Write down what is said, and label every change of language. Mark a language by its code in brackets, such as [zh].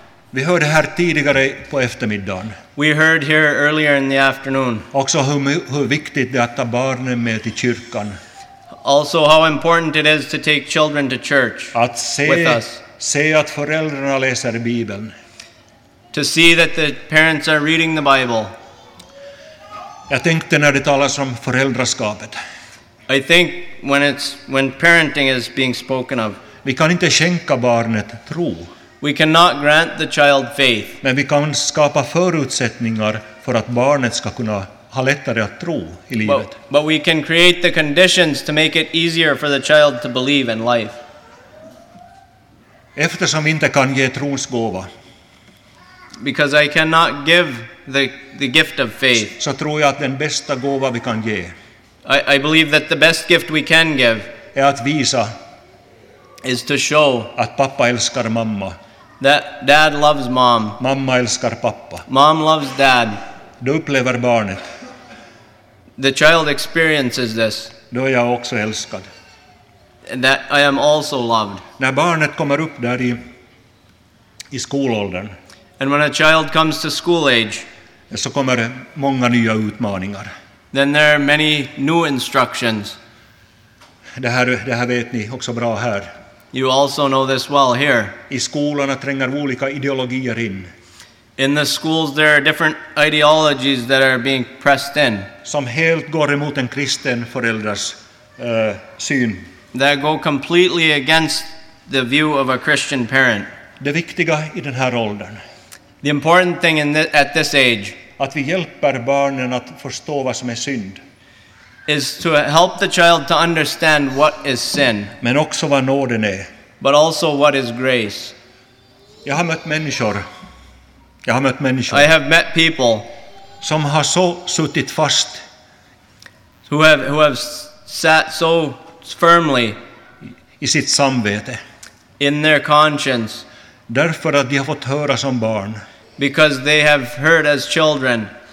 [sv] Vi hörde här tidigare på eftermiddagen. [en] We heard here earlier in the afternoon. [sv] Också hur viktigt det är att ta barnen med till kyrkan. [en] Also how important it is to take children to church. [sv] Att se, [en] with us. [sv] Se att föräldrarna läser Bibeln. [en] To see that the parents are reading the Bible. [sv] Jag tänkte när det talas om föräldraskapet. [en] I think when parenting is being spoken of. [sv] Vi kan inte skänka barnet tro. [en] We cannot grant the child faith. [sv] Men vi kan skapa förutsättningar för att barnet ska kunna ha lättare att tro i livet. [en] But we can create the conditions to make it easier for the child to believe in life. [sv] Eftersom vi inte kan ge trons gåva. [en] Because I cannot give the gift of faith. [sv] Så tror jag att den bästa gåva vi kan ge. [en] I believe that the best gift we can give [sv] är att visa [en] is to show [sv] att pappa älskar mamma. [en] That dad loves mom. [sv] Mamma älskar pappa. [en] Mom loves dad. [sv] Då upplever barnet. [en] The child experiences this. [sv] Då är jag också älskad. [en] That I am also loved. [sv] När barnet kommer upp där i skolåldern. [en] And when a child comes to school age. [sv] Så kommer många nya utmaningar. [en] Then there are many new instructions. [sv] Det här vet ni också bra här. [en] You also know this well here. [sv] I skolorna tränger olika ideologier in. [en] In the schools there are different ideologies that are being pressed in. [sv] Som helt går emot en kristen förälders syn. [en] That go completely against the view of a Christian parent. [sv] Det viktiga i den här åldern. [en] The important thing at this age. [sv] Att vi hjälper barnen att förstå vad som är synd. [en] Is to help the child to understand what is sin. [sv] Men också vad nåden är. [en] But also what is grace. [sv] Jag har mött människor. [en] I have met people. [sv] Som har så suttit fast. [en] Who have sat so firmly. [sv] I sitt samvete. [en] In their conscience. [sv] Därför att de har fått höra som barn. [en] Because they have heard as children.